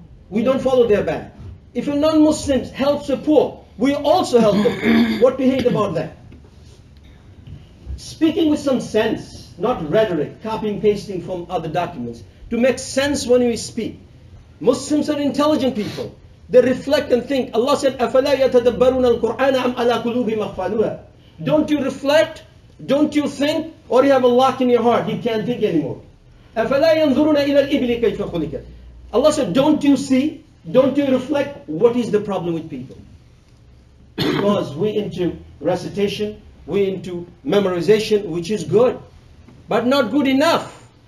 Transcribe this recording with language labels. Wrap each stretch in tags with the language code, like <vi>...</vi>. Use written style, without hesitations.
<en>We don't follow their bad. If a non-Muslim helps the poor, we also help the poor. What we hate about that? Speaking with some sense, not rhetoric, copying, pasting from other documents, to make sense when we speak. Muslims are intelligent people. They reflect and think.</en> <ar>Allah said, أَفَلَا يَتَدَبَّرُونَ الْقُرْآنَ أَمْ عَلَىٰ قُلُوبِهِمْ أَقْفَالُهَا.</ar> <en>Don't you reflect? Don't you think? Or you have a lock in your heart? You can't think anymore.</en> <ar>أَفَلَا يَنْظُرُونَ إِلَىٰ الْإِبْلِ كَيْفَ خُلِكَتْ.</ar> <en>Allah said, don't you see? Don't you reflect? What is the problem with people? Because we're into recitation, we're into memorization, which is good, but not good enough.</en>